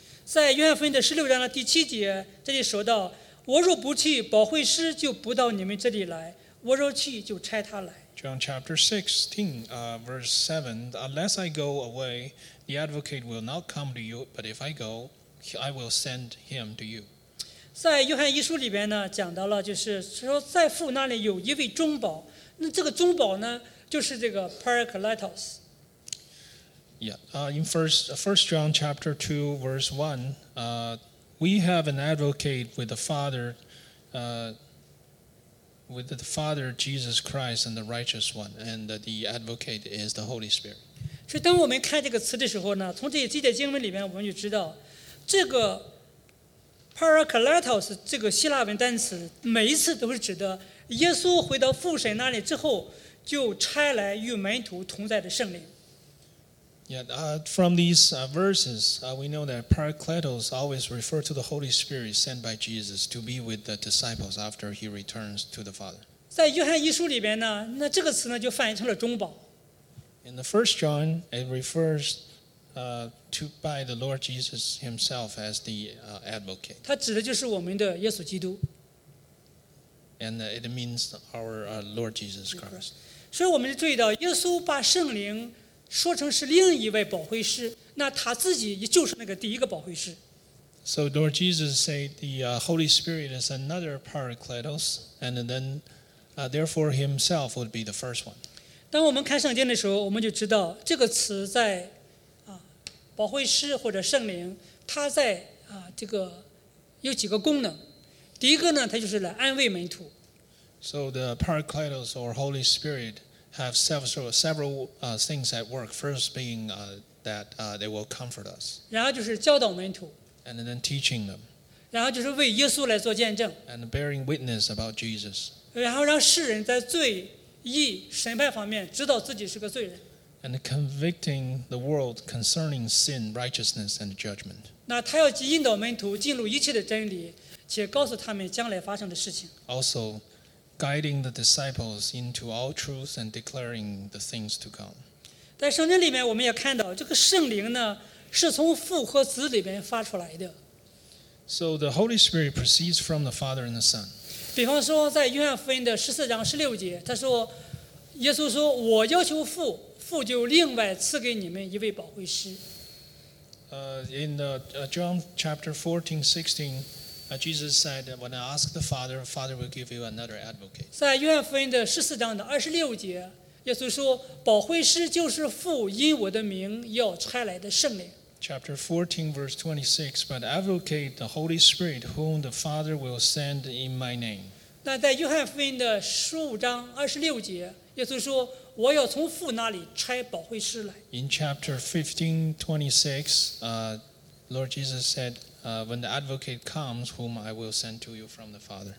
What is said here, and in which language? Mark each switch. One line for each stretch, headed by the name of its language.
Chinese: 在约翰福音的十六章的第七节，这里说到，我若不去，保惠师就不到你们这里来。我若去，就差他来。
English: John chapter 16, verse 7, unless I go away, the Advocate will not come to you, but if I go, I will send him to you.
Chinese: 在约翰一书里边呢，讲到了就是说在父那里有一位忠保，那这个忠保呢，就是这个 Parakletos.
English: Yeah, in first John chapter 2, verse 1, we have an Advocate with the Father, with the Father Jesus Christ and the Righteous One, and the Advocate is the Holy Spirit.
Chinese: 所以当我们看这个词的时候呢，从这些记载经文里面，我们就知道，这个 Parakletos 这个希腊文单词，每一次都是指的耶稣回到父神那里之后，就差来与门徒同在的圣灵。
English: Yeah, from these verses, we know that Parakletos always refer to the Holy Spirit sent by Jesus to be with the disciples after he returns to the Father.
Chinese: 在约翰一书里边呢，那这个词呢就翻译成了中保。
English: In the first John, it refers to by the Lord Jesus himself as the advocate.
Chinese: 它指的就是我们的耶稣基督。
English: And it means our Lord Jesus Christ.
Chinese: 所以我们就注意到，耶稣把圣灵说成是另一位保惠师，那他自己也就是那个第一个保惠师。
English: So Lord Jesus said the Holy Spirit is another Parakletos, and then therefore himself would be the first one.
Chinese: 当我们看圣经的时候，我们就知道这个词在保惠师或者圣灵，它在这个有几个功能。第一个呢，它就是来安慰门徒。
English: So the Parakletos or Holy Spirit. Have several things at work. First being that they will comfort us.
Chinese: 然后就是教导门徒。
English: And then teaching them.
Chinese: 然后就是为耶稣来做见证。
English: And bearing witness about Jesus.
Chinese: 然后让世人在罪义审判方面知道自己是个罪人。
English: And convicting the world concerning sin, righteousness, and judgment.
Chinese: 那他要引导门徒进入一切的真理，且告诉他们将来发生的事情。
English: Also. Guiding the disciples into all truth and declaring the things to come.
Chinese: 在圣经里面，我们也看到这个圣灵呢，是从父和子里边发出来的。
English: So the Holy Spirit proceeds from the Father and the Son.
Chinese: 比方说，在约翰福音的十四章十六节，他说：“耶稣说，我要求父，父就另外赐给你们一位保惠师。”
English: John chapter 14, 16, Jesus said, when I ask the Father, Father will give you another advocate.
Chinese: 在约翰福音的十四章的二十六节，耶稣说，保惠师就是父因我的名要差来的圣灵。
English: Chapter 14, verse 26, but advocate the Holy Spirit, whom the Father will send in my name.
Chinese: 那在约翰福音的十五章二十六节，耶稣说，我要从父那里差保惠师来。
English: In chapter 15, 26, Lord Jesus said, when the advocate comes, whom I will send to you from the Father.